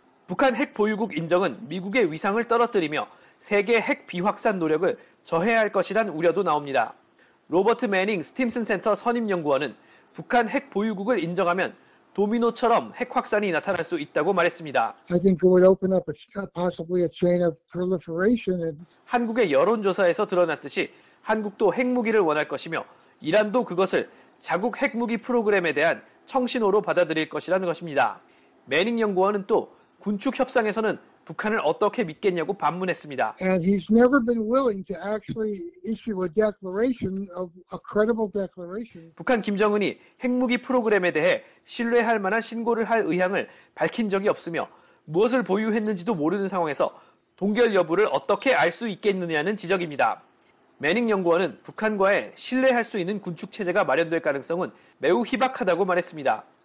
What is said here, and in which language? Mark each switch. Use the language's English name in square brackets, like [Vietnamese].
[Korean] 북한 핵보유국 인정은 미국의 위상을 떨어뜨리며 세계 핵 비확산 노력을 저해할 것이란 우려도 나옵니다. 로버트 매닝 스팀슨 센터 선임연구원은 북한 핵 보유국을 인정하면 도미노처럼 핵 확산이 나타날 수 있다고 말했습니다. [English] I think it would open up possibly a chain of proliferation. [Korean] 한국의 여론조사에서 드러났듯이 한국도 핵무기를 원할 것이며 이란도 그것을 자국 핵무기 프로그램에 대한 청신호로 받아들일 것이라는 것입니다. 매닝 연구원은 또 군축 협상에서는 북한을 어떻게 믿겠냐고 반문했습니다. [English] And he's never been willing to actually issue a declaration of a credible declaration. [Korean] 북한 김정은이 핵무기 프로그램에 대해 신뢰할 만한 신고를 할 의향을 밝힌 적이 없으며 무엇을 보유했는지도 모르는 상황에서 동결 여부를 어떻게 알 수 있겠느냐는 지적입니다. 매닝 연구원은 북한과의 신뢰할 수 있는 군축 체제가 마련될 가능성은 매우 희박하다고 말했습니다.